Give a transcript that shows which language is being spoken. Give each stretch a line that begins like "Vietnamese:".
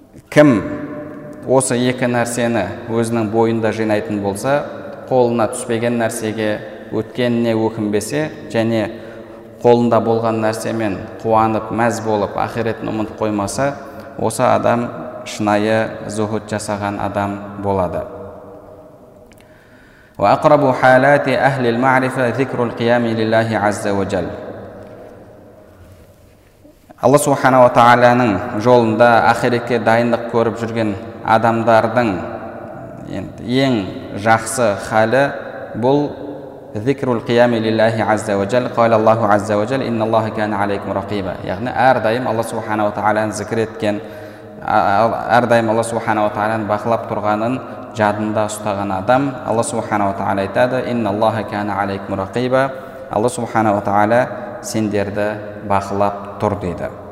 Kazakh: Кім осы екі нәрсені өзінің бойында жинайтын болса, қолына түспеген нәрсеге өткеніне өкінбесе және қолында болған нәрсемен қуанып, мәз болып, ақиретін ұмытып қоймаса, осы адам шынайы зухуд жасаған адам болады.
Arabic: وأقرب حالات أهل المعرفة ذكر القيام لله عز وجل. الله سبحانه وتعالى
Kazakh: жолында ахиретке дайындық көріп жүрген адамдардың ең жақсы халі бұл
Arabic: ذكر القيام لله عز وجل. قال الله عز وجل إن الله كان عليكم رقيبا.
Kazakh: Яғни әрдайым Алла субхана ва тааланы зікір еткен, әрдайым Алла субхана ва тааланы бақылап тұрғанын жадында ұстаған адам, Алла субхана ва тааля айтады:
Arabic: "Инна Аллаха кана алейкум рақиба".
Kazakh: Алла субхана ва тааля сендерді бақылап тұр дейді.